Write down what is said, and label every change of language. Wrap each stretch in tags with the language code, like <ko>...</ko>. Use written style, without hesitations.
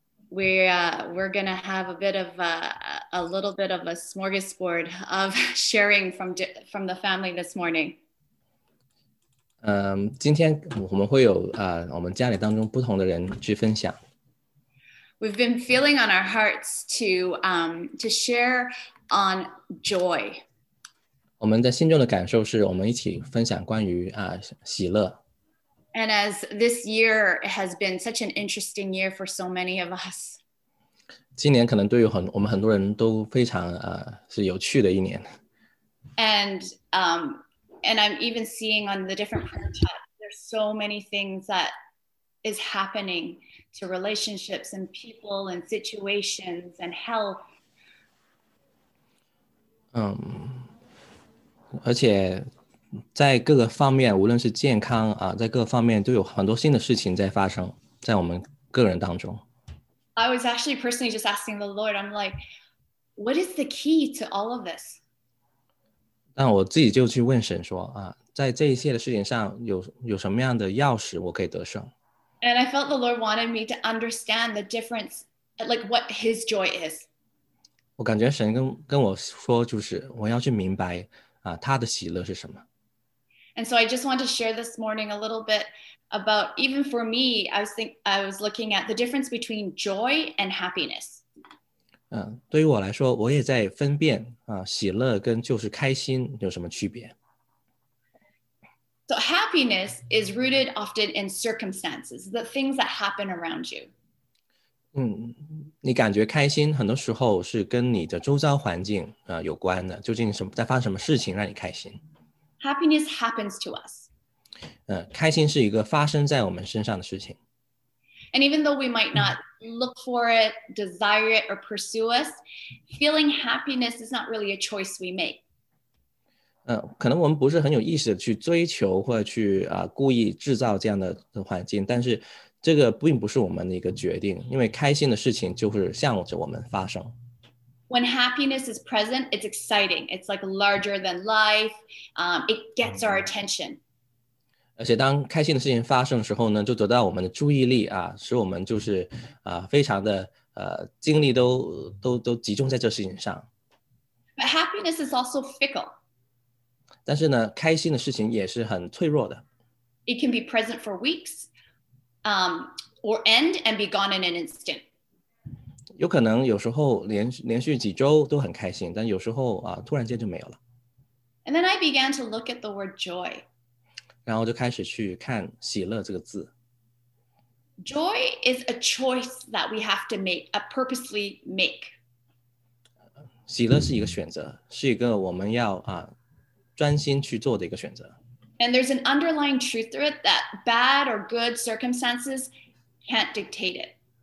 <en>We're going to have a little bit of a smorgasbord of sharing from the family this morning.</en> <zh>今天我们会有我们家里当中不同的人去分享。</zh> <en>We've been feeling on our hearts to share on joy.</en> <zh>我们的心中的感受是我们一起分享关于喜乐。</zh> <en>And as this year has been such an interesting year for so many of us.</en> <zh>今年可能对于我们很多人都非常是有趣的一年。</zh> <en>And I'm even seeing on the different parts, there's so many things that is happening to relationships and people and situations and health.</en> <zh>而且在各个方面，无论是健康在各个方面都有很多新的事情在发生在我们个人当中。</zh> <en>I was actually personally just asking the Lord, I'm like, what is the key to all of this?</en> <zh>但我自己就去问神说在这一切的事情上 有什么样的钥匙我可以得胜。</zh> <en>And I felt the Lord wanted me to understand the difference, like what his joy is.</en> <zh>我感觉神 跟我说就是我要去明白他的喜乐是什么。</zh> <en>And so I just want to share this morning a little bit about, even for me, I was looking at the difference between joy and happiness.</en> <zh>对于我来说，我也在分辨喜乐跟就是开心有什么区别。</zh> <en>So happiness is rooted often in circumstances, the things that happen around you.</en> <zh>你感觉开心很多时候是跟你的周遭环境有关的，究竟在发生什么事情让你开心。</zh> <en>Happiness happens to us.</en> <zh>开心是一个发生在我们身上的事情。</zh> <en>And even though we might not look for it, desire it, or pursue us, feeling happiness is not really a choice we make.</en> <zh>可能我们不是很有意识的去追求或者去故意制造这样的环境，但是这个并不是我们的一个决定，因为开心的事情就是向着我们发生。</zh> <en>When happiness is present, it's exciting. It's like larger than life. It gets our attention.</en> <zh>而且当开心的事情发生的时候呢，就得到我们的注意力使我们就是非常的精力都集中在这事情上。</zh> <en>But happiness is also fickle.</en> <zh>但是呢，开心的事情也是很脆弱的。</zh> <en>It can be present for weeks, or end and be gone in an instant.</en> <zh>有可能有时候 连续几周都很开心，但有时候突然间就没有了。</zh> <en>And then I began to look at the word joy.</en> <zh>然后就开始去看喜乐这个字。</zh> <en>Joy is a choice that we have to make, a purposely make.</en> <zh>喜乐是一个选择，是一个我们要专心去做的一个选择。</zh> <en>And there's an underlying truth through it that bad or good circumstances can't dictate it.</en>